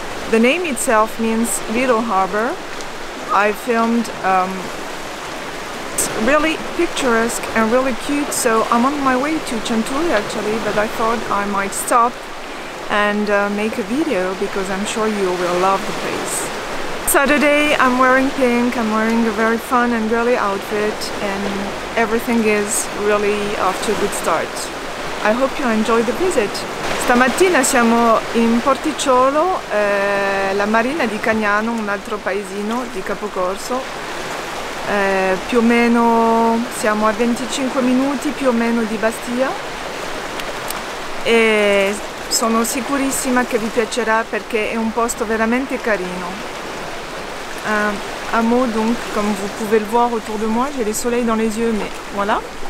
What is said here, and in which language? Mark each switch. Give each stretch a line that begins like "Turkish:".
English: The name itself means little harbor. I filmed really picturesque and really cute, so I'm on my way to Centuri actually, but I thought I might stop and make a video because I'm sure you will love the place. Saturday, I'm wearing pink, I'm wearing a very fun and girly outfit, and everything is really off to a good start. I hope you enjoy the visit.
Italian: Stamattina siamo in Porticciolo, la marina di Cagnano, un altro paesino di Capocorso. Più o meno siamo a 25 minuti più o meno di Bastia. E sono sicurissima che vi piacerà perché è un posto veramente carino.
French: Un mot donc, comme vous pouvez le voir autour de moi, j'ai les soleils dans les yeux, mais voilà.